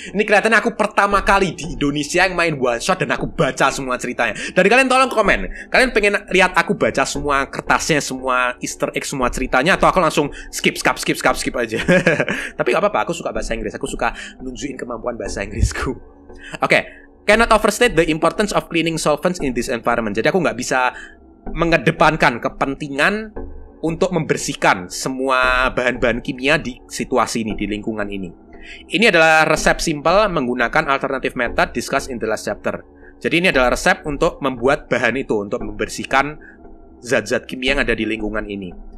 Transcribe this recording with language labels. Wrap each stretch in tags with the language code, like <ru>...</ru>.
<id>Ini kelihatannya aku pertama kali di Indonesia yang main one shot dan aku baca semua ceritanya. Dari kalian tolong komen. Kalian pengen lihat aku baca semua kertasnya, semua easter egg, semua ceritanya, atau aku langsung skip aja. Tapi gak apa-apa, aku suka bahasa Inggris. Aku suka nunjukin kemampuan bahasa Inggrisku. Oke.</id> <en>Cannot overstate the importance of cleaning solvents in this environment.</en> <id>Jadi aku gak bisa mengedepankan kepentingan untuk membersihkan semua bahan-bahan kimia di situasi ini, di lingkungan ini. Ini adalah resep simple menggunakan</id> <en>alternative method discussed in the last chapter.</en> <id>Jadi ini adalah resep untuk membuat bahan itu, untuk membersihkan zat-zat kimia yang ada di lingkungan ini.</id>